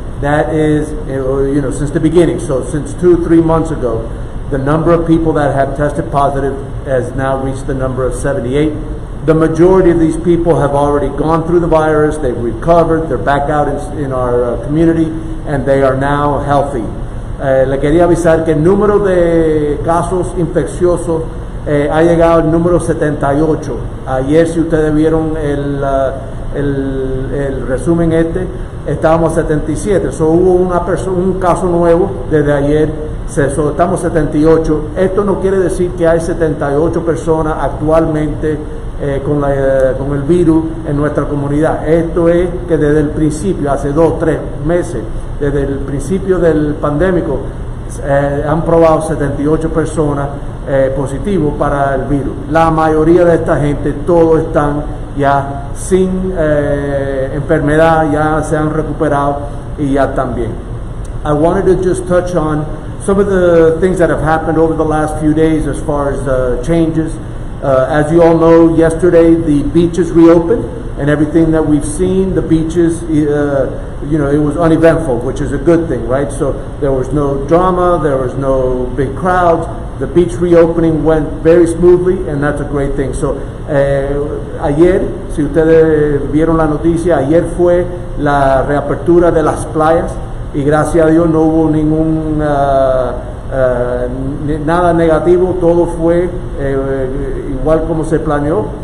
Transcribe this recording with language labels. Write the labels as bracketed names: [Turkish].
[English] That is, you know, since the beginning. So since 2 or 3 months ago, the number of people that have tested positive has now reached the number of 78. The majority of these people have already gone through the virus, they've recovered, they're back out in our community, and they are now healthy. [Spanish] Le quería avisar que el número de casos infecciosos ha llegado al número 78. Ayer, si ustedes vieron el resumen este, estábamos 77. So hubo un caso nuevo desde ayer, so estamos 78. Esto no quiere decir que hay 78 personas actualmente con el virus en nuestra comunidad. Esto es que desde el principio, hace 2 o 3 meses, desde el principio del pandémico, han probado 78 personas positivo para el virus. La mayoría de esta gente, todos están ya sin enfermedad, ya se han recuperado y ya también. [English] I wanted to just touch on some of the things that have happened over the last few days as far as changes. As you all know, yesterday the beaches reopened, and everything that we've seen, the beaches, you know, it was uneventful, which is a good thing, right? So there was no drama, there was no big crowds. The beach reopening went very smoothly, and that's a great thing. [Spanish] So ayer, si ustedes vieron la noticia, ayer fue la reapertura de las playas, y gracias a Dios no hubo ningún nada negativo, todo fue igual como se planeó.